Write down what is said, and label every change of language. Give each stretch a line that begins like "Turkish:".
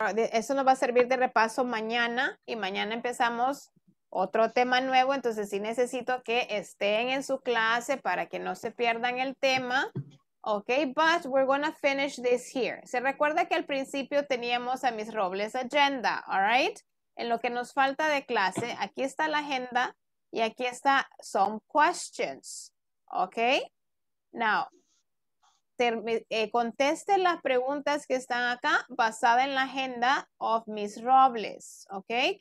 Spanish: Eso nos va a servir de repaso mañana. Y mañana empezamos otro tema nuevo, entonces sí necesito que estén en su clase para que no se pierdan el tema,
English: Okay, but we're going to finish this here.
Spanish: Se recuerda que al principio teníamos a Miss Robles' agenda,
English: all right?
Spanish: En lo que nos falta de clase, aquí está la agenda y aquí está
English: some questions, okay?
Spanish: Now, conteste las preguntas que están acá basada en la agenda
English: of Miss Robles, okay?